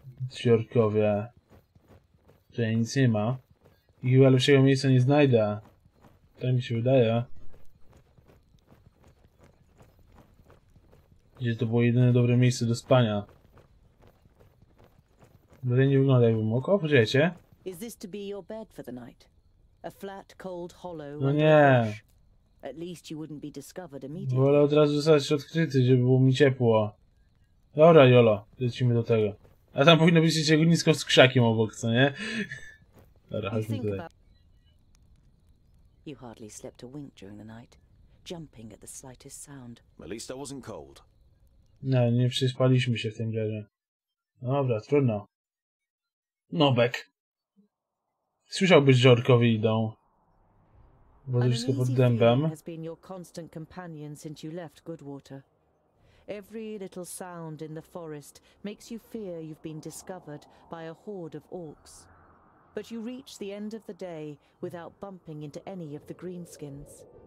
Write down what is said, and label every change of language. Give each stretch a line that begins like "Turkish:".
Polish: Ci orkowie. Tutaj nic nie ma. I chyba lepszego miejsca nie znajdę. Tak mi się wydaje. Gdzie to było jedyne dobre miejsce do spania. Tutaj nie wygląda jakbym mógł, poczekajcie.
English: Is this to be your bed for the night? A flat, cold hollow.
Polish: No nie.
English: At least you wouldn't be discovered immediately.
Polish: Wolę od razu zostać odkryty, żeby było mi ciepło. Dobra, Jolo, lecimy do tego. A tam powinno być jeszcze ognisko z krzakiem obok, co nie? Dobra, chodźmy tutaj.
English: You hardly slept a wink during the night, jumping at the slightest sound. At least I wasn't cold.
Polish: No, nie przespaliśmy się w tym razie. Dobra, trudno. Nobek. Słyszałbyś, że orkowie idą. Bo to wszystko pod dębem.
English: Has been your constant companion since you left Goodwater. Every little sound in the forest makes you fear you've been discovered by a horde of orcs. But you reach the end of the day without bumping into any of the greenskins.